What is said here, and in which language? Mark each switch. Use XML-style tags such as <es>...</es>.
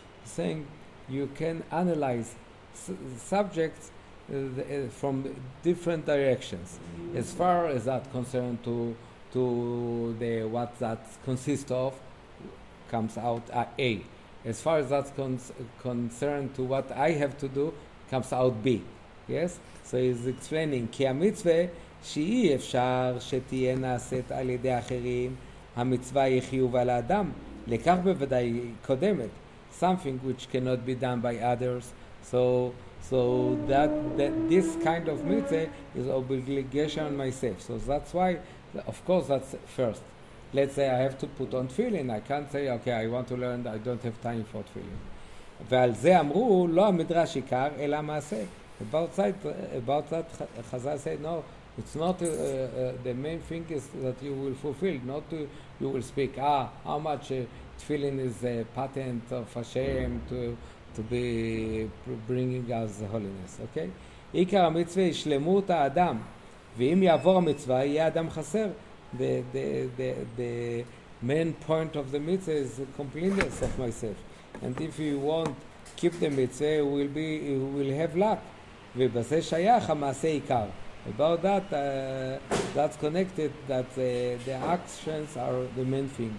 <en>He's saying you can analyze subjects from different directions. As far as that concerned to the what that consists of, comes out A. As far as that's concerned to what I have to do, comes out B. Yes? So he's explaining,</en> <he>כי המצווה שאי אפשר שתהיה נעשית על ידי אחרים, המצווה היא חיוב על האדם, לכך בוודאי קודמת.</he> <en>Something which cannot be done by others. So that this kind of mitzvah is obligation on myself. So that's why, of course, that's first. Let's say I have to put on tefillin. I can't say, okay, I want to learn, I don't have time for tefillin.</en> <he>ועל זה אמרו, לא המדרש עיקר, אלא מעשה.</he> <en>About that, Chazal said, no, it's not the main thing is that you will fulfill, not to, you will speak, how much tefillin is a patent of Hashem to be bringing us holiness, okay?</en> <he>עיקר המצווה היא שלמות האדם, ואם יעבור המצווה, יהיה אדם חסר.</he> <en>The main point of the mitzvah is the completeness of myself. And if you won't keep the mitzvah, you will have lack.</en> <he>ובזה שייך המעשה עיקר.</he> <en>About that, that's connected, that the actions are the main thing.</en>